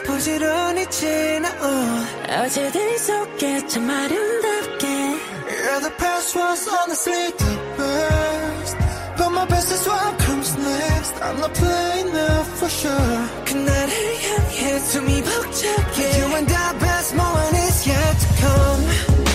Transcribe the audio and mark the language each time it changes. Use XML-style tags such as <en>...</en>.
<ko>부지런히 지나온 어제들이 속했지만 아름답게.</ko> <en>Yeah, the past was honestly the best. But my best is what comes next. I'm not playing now for sure.</en> <ko>그날을 향해 숨이 벅차게.</ko> <en>You and the best moment is yet to come.</en>